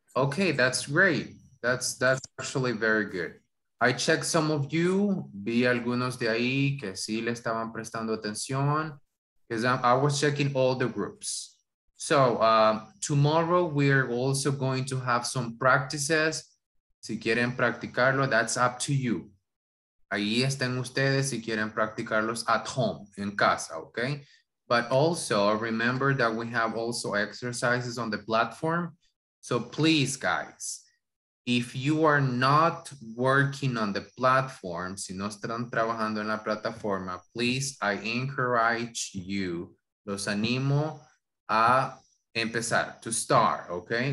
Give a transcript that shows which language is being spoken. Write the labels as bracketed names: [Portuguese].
[English] Okay, that's great. That's actually very good. I checked some of you, [Spanish] vi algunos de ahí que sí le estaban prestando atención, [English] because I was checking all the groups. So tomorrow we're also going to have some practices. [Spanish] Si quieren practicarlo, [English] that's up to you. [Spanish] Ahí están ustedes si quieren practicarlos [English] at home, [Spanish] en casa, okay? [English] But also remember that we have also exercises on the platform. So please, guys, If you are not working on the platform, [Spanish] si no están trabajando en la plataforma, [English] please, I encourage you, [Spanish] los animo a empezar, [English] to start, okay?